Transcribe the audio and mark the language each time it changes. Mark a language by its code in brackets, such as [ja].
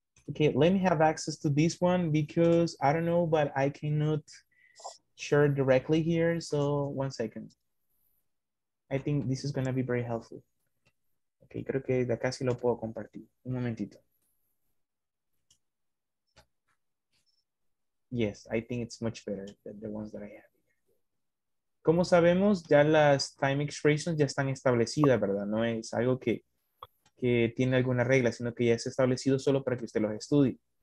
[en] Okay, let me have access to this one because I don't know, but I cannot share directly here. So one second. I think this is going to be very helpful. [es] Ok, creo que de acá sí lo puedo compartir. Un momentito. [en] Yes, I think it's much better than the ones that I have. [es] Como sabemos, ya las time expressions ya están establecidas, ¿verdad? No es algo que tiene alguna regla, sino que ya es establecido solo para que usted los estudie.